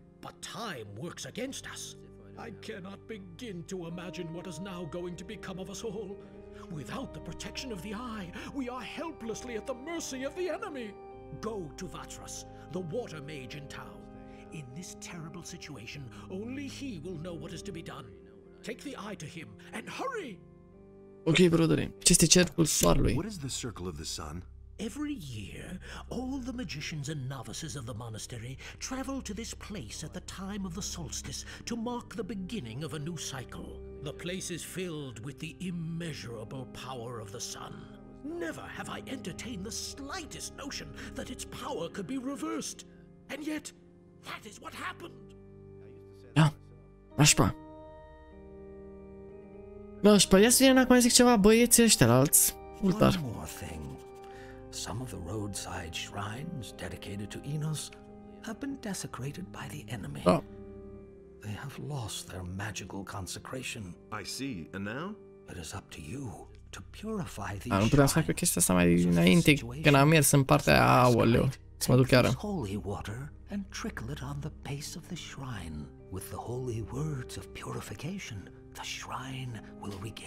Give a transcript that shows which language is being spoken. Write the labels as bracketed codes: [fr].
[en] But time works against us. I cannot begin to imagine what is now going to become of us all. Without the protection of the eye, we are helplessly at the mercy of the enemy. Go to Vatras, the water mage in town. In this terrible situation, only he will know what is to be done. Take the eye to him and hurry! [ro] Ok, brodere, ce este cercul soarelui? [en] What is the circle of the sun? Every year, all the magicians and novices of the monastery travel to this place at the time of the solstice to mark the beginning of a new cycle. The place is filled with the immeasurable power of the sun. Never have I entertained the slightest notion that its power could be reversed. And yet, that is what happened. [ro] Da, nașpa. Nașpa, ia să vină acum, zic ceva, băieții ăștia la alți. Ultar. [en] One more thing. Some of the roadside shrines dedicated to Innos have been desecrated by the enemy. Oh. They have lost their magical consecration. I see. And now? It is up to you to purify these [ro] shrines. Nu puteam să fac o chestie asta mai înainte, când am mers în partea aia, aoleu, să mă duc chiar. [en] Take this holy water and trickle it on the base of the shrine. With the holy words of purification, the shrine will regain.